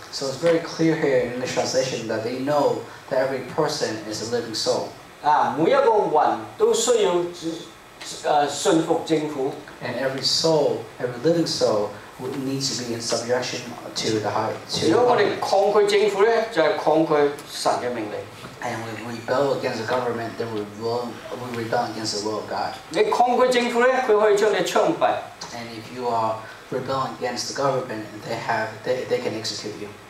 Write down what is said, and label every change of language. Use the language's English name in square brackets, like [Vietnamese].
[English] So it's very clear here in the translation that they know that every person is a living soul. [Chinese] 每一個魂都需要順服政府。 [English] And every soul, every living soul, would need to be in subjection to the high. [Chinese] 如果我們抗拒政府,就是抗拒神的命令。 [English] And when we rebel against the government, then we rebel against the will of God. [Chinese] 你抗拒政府呢,他可以將你槍斃。 [English] And if you are rebelling against the government, they can execute you.